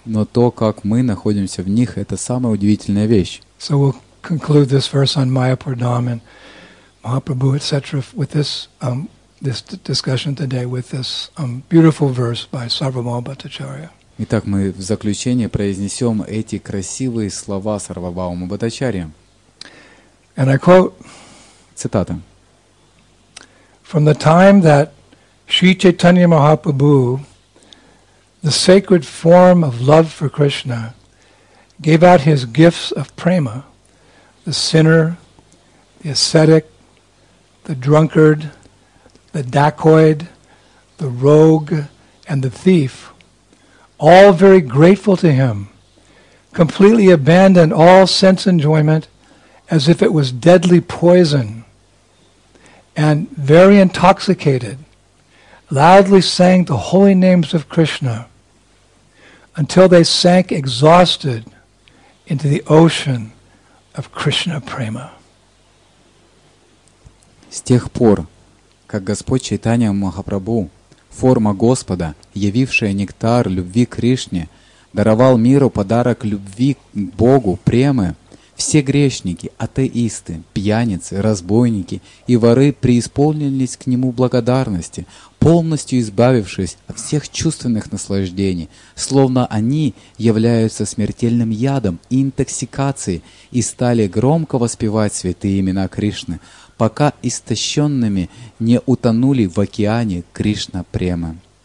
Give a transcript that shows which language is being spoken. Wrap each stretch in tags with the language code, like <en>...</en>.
<ru>Но то, как мы находимся в них, это самая удивительная вещь.</ru> <en>So we'll conclude this verse on Mayapur Dham and Mahaprabhu, etc., with this this discussion today with this beautiful verse by Sarvabhauma Bhattacharya.</en> <ru>Итак, мы в заключение произнесем эти красивые слова Сарвабхаумы Бхаттачарьи.</ru> <en>And I quote,</en> <ru>цитата.</ru> <en>From the time that Sri Chaitanya Mahaprabhu, the sacred form of love for Krishna, gave out his gifts of prema, the sinner, the ascetic, the drunkard, the dacoit, the rogue, and the thief, all very grateful to him, completely abandoned all sense enjoyment as if it was deadly poison, and very intoxicated, loudly sang the holy names of Krishna until they sank exhausted into the ocean of Krishna prema.</en> <ru>С тех пор, как Господь Чайтанья Махапрабху, форма Господа, явившая нектар любви Кришне, даровал миру подарок любви к Богу, премы, все грешники, атеисты, пьяницы, разбойники и воры преисполнились к Нему благодарности, полностью избавившись от всех чувственных наслаждений, словно они являются смертельным ядом и интоксикацией и стали громко воспевать святые имена Кришны, пока истощенными не утонули в океане Кришна Према.</ru>